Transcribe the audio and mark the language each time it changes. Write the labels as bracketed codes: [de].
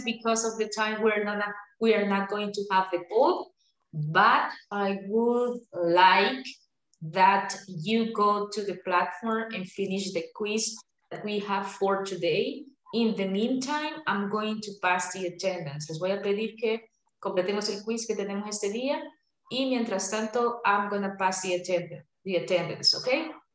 [en] Because of the time, we are not going to have the poll, but I would like that you go to the platform and finish the quiz that we have for today. In the meantime, I'm going to pass the attendance. [es] Les voy a pedir que completemos el quiz que tenemos este día. [en] Y mientras tanto, I'm going to pass the attendance, okay?